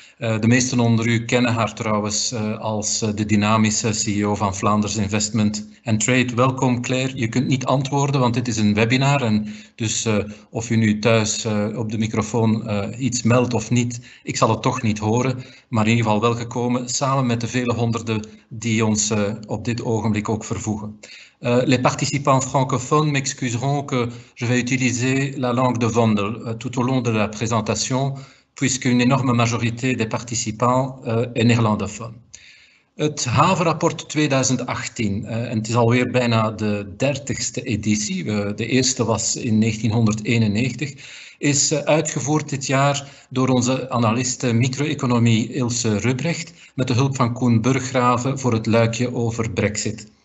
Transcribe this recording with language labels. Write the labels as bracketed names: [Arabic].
[Dutch] De meesten onder u kennen haar trouwens als de dynamische CEO van Flanders Investment and Trade. Welkom Claire, je kunt niet antwoorden, want dit is een webinar. En dus of u nu thuis op de microfoon iets meldt of niet, ik zal het toch niet horen. Maar in ieder geval welgekomen, samen met de vele honderden die ons op dit ogenblik ook vervoegen. [French] Les participants francophones m'excuseront que je vais utiliser la langue de Vondel tout au long de la présentation, puisqu'une énorme majorité des participants est néerlandophone. [Dutch] Het havenrapport 2018, en het is alweer bijna de 30ste editie, de eerste was in 1991, is uitgevoerd dit jaar door onze analist microeconomie Ilse Rubrecht met de hulp van Koen Burggraven voor het luikje over Brexit.